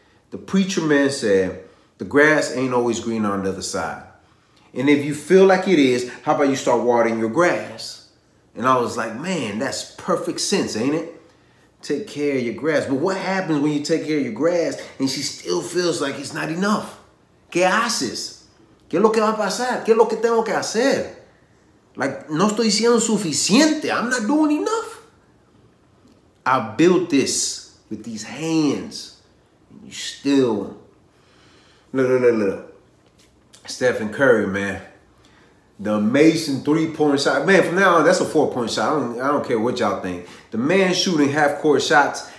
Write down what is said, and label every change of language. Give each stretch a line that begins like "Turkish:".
English: The preacher man said, the grass ain't always green on the other side. And if you feel like it is, how about you start watering your grass? And I was like, man, that's perfect sense, ain't it? Take care of your grass. But what happens when you take care of your grass and she still feels like it's not enough?
Spanish: ¿Qué haces? ¿Qué es lo que va a pasar? ¿Qué es lo que tengo que hacer? Like, no estoy siendo suficiente.
English: I'm not doing enough. I built this with these hands. And you still. Look. Stephen Curry, man. The amazing three-point shot. Man, from now on, that's a four-point shot. I don't care what y'all think. The man shooting half-court shots.